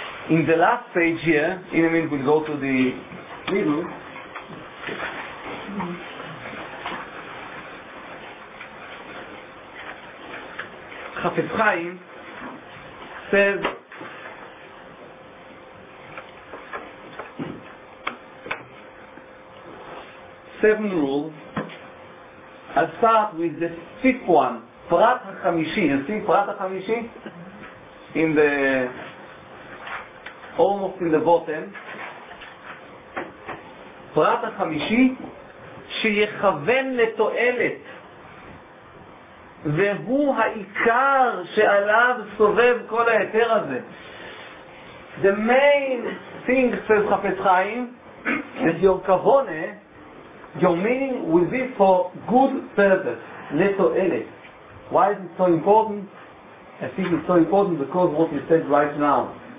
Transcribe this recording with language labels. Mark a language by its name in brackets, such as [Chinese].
[English] In the last page here, in a minute we'll go to the middle, Chafetz Chaim says, seven rules. I'll start with the fifth one, Prat HaChamishi. You see Prat HaChamishi? In the, almost in the bottom. [Hebrew] Prat HaChamishi, שיכוון לתועלת, והוא העיקר שעליו סובב כל ההתר הזה. [English] The main thing, says Chafetz Chaim, is your kavone, your meaning will be for good service, neto ele. Why is it so important? I think it's so important because what you said right now.